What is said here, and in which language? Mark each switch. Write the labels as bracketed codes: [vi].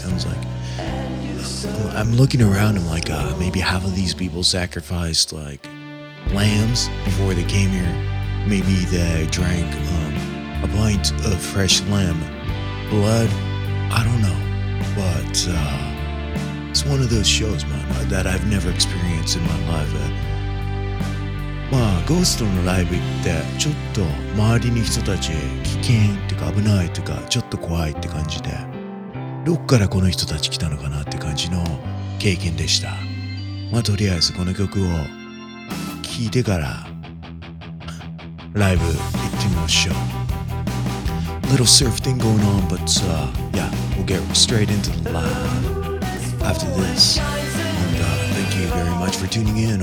[en] I was like, I'm looking around, I'm like, maybe half of these people sacrificed like lambs before they came here. Maybe they drank a pint of fresh lamb blood. I don't know. But it's one of those shows, man, that I've never experienced in my life. [ja] まあ、ゴーストのライブってちょっと周りに人たち危険とか危ないとかちょっと怖いって感じで、どっからこの人たち来たのかなって感じの経験でした。まあ、とりあえずこの曲を聴いてから、ライブ行ってみましょう。 [en] Little surf thing going on, but yeah, we'll get straight into the live after this. And thank you very much for tuning in.